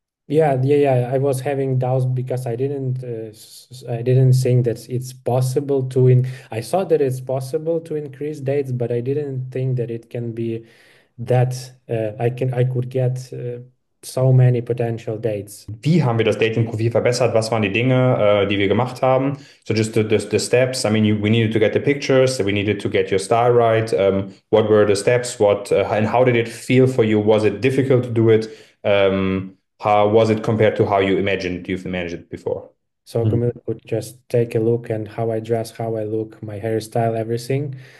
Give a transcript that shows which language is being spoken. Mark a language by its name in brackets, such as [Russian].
[English] I was having doubts because I didn't think that it's possible to in I saw that it's possible to increase dates, but I didn't think that it can be that I could get so many potential dates. [German] Wie haben wir das Dating-Profil verbessert? Was waren die Dinge, die wir gemacht haben? [English] So just the steps. I mean, we needed to get the pictures. We needed to get your style right. What were the steps? What and how did it feel for you? Was it difficult to do it? How was it compared to how you've imagined it before? So Camille could just take a look and how I dress, how I look, my hairstyle, everything.